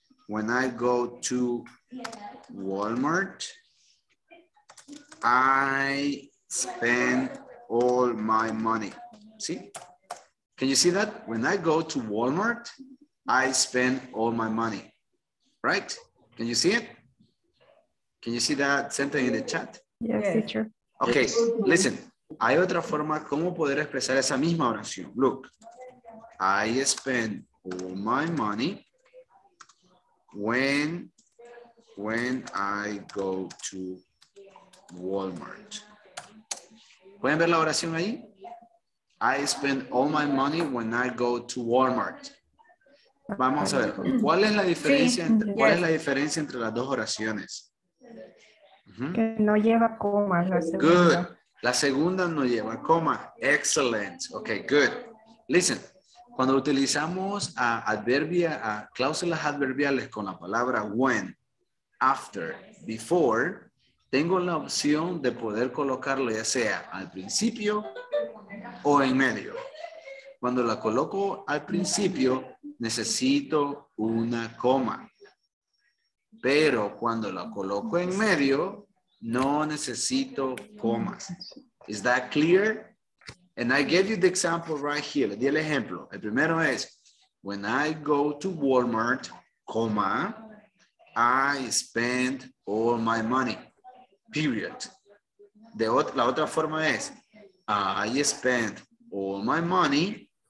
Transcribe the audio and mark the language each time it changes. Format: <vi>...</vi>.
<en>When I go to Walmart, I spend all my money. See? Can you see that? When I go to Walmart, I spend all my money. Right? Can you see it? Can you see that sentence in the chat? Yes, teacher. Okay, listen.</en> <es>Hay otra forma como poder expresar esa misma oración.</es> <en>Look, I spend all my money when I go to Walmart.</en> <es>¿Pueden ver la oración ahí?</es> <en>I spend all my money when I go to Walmart.</en> <es>Vamos a ver, ¿cuál es la diferencia, sí, entre, yes. ¿Cuál es la diferencia entre las dos oraciones? Uh-huh. Que no lleva coma. La segunda.</es> <en>Good.</en> <es>La segunda no lleva coma.</es> <en>Excellent. Okay, good. Listen,</en> <es>cuando utilizamos cláusulas adverbiales con la palabra when, after, before, tengo la opción de poder colocarlo ya sea al principio o en medio. Cuando la coloco al principio, necesito una coma. Pero cuando la coloco en medio, no necesito comas.</es> <en>Is that clear? And I gave you the example right here.</en> <es>Le di el ejemplo. El primero es,</es> <en>when I go to Walmart, comma, I spend all my money, period.</en> <es>La otra forma es,</es> <en>I spend all my money.</en>